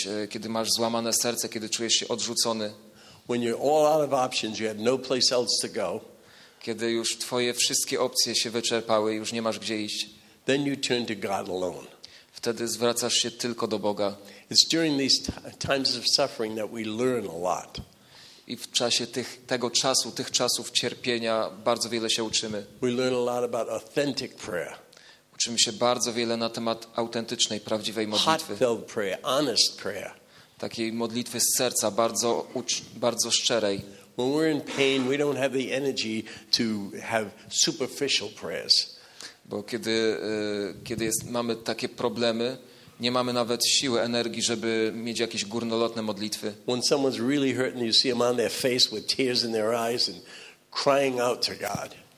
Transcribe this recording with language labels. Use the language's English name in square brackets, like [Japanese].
[Polish] Kiedy masz złamane serce, kiedy czujesz się odrzucony. [English] When you're all out of options, you have no place else to go. [Polish] Kiedy już twoje wszystkie opcje się wyczerpały, już nie masz gdzie iść. [English] Then you turn to God alone. [Polish] Wtedy zwracasz się tylko do Boga. [English] It's during these times of suffering that we learn a lot. [Polish] I w czasie tych czasów cierpienia bardzo wiele się uczymy. [English] We learn a lot about authentic prayer. [Polish] Uczymy się bardzo wiele na temat autentycznej, prawdziwej modlitwy. [English] Heartfelt prayer, honest prayer. [Polish] Takiej modlitwy z serca, bardzo, bardzo szczerej. [English] When we're in pain, we don't have the energy to have superficial prayers. [Polish] Bo kiedy mamy takie problemy, nie mamy nawet siły, energii, żeby mieć jakieś górnolotne modlitwy. [English] When someone's really hurting, you see them on their face with tears in their eyes and crying out to God.